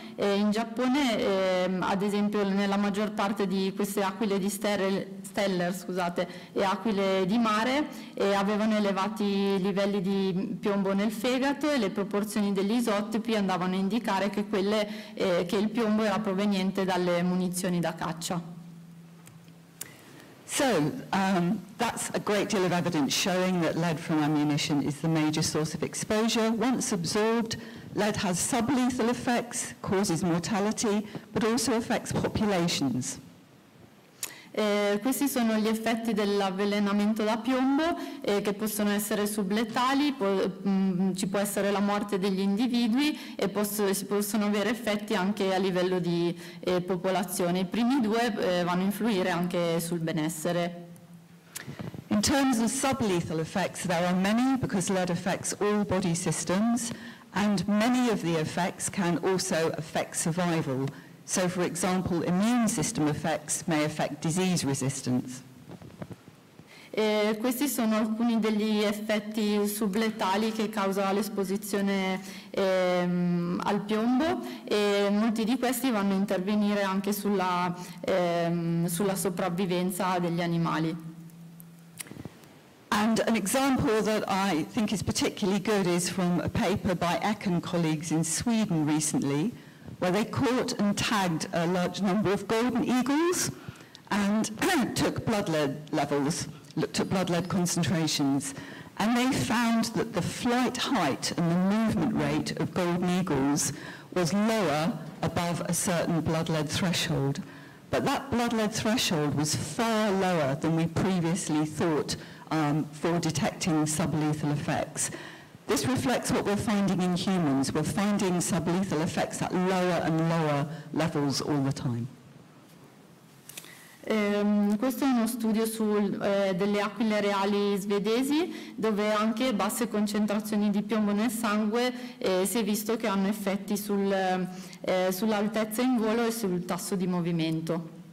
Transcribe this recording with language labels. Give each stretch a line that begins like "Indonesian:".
Italian: In Giappone, ad esempio, nella maggior parte di queste aquile di Steller, e aquile di mare, avevano elevati livelli di piombo nel fegato e le proporzioni degli isotopi andavano a indicare che, che il piombo era proveniente dalle munizioni da caccia.
English: So, that's a great deal of evidence showing that lead from ammunition is the major source of exposure. Once absorbed, lead has sublethal effects, causes mortality, but also affects populations.
Italian: Questi sono gli effetti dell'avvelenamento da piombo, che possono essere subletali, ci può essere la morte degli individui e si possono avere effetti anche a livello di popolazione. I primi due vanno a influire anche sul benessere.
English: In terms of sublethal effects, there are many because lead affects all body systems, and many of the effects can also affect survival. So, for example, immune system effects may affect disease resistance.
Italian: Questi sono alcuni degli effetti subletali che causa l'esposizione al piombo, e molti di questi vanno a intervenire anche sulla sopravvivenza degli animali.
English: And an example that I think is particularly good is from a paper by Eck and colleagues in Sweden recently, where they caught and tagged a large number of golden eagles and took blood lead levels, looked at blood lead concentrations. And they found that the flight height and the movement rate of golden eagles was lower above a certain blood lead threshold. But that blood lead threshold was far lower than we previously thought for detecting sublethal effects. This reflects what we're finding in humans. We're finding sublethal effects at lower and lower levels all the time.
Italian: Questo è uno studio delle aquile reali svedesi, dove anche basse concentrazioni di piombo nel sangue si è visto che hanno effetti sull'altezza in volo e sul tasso di movimento.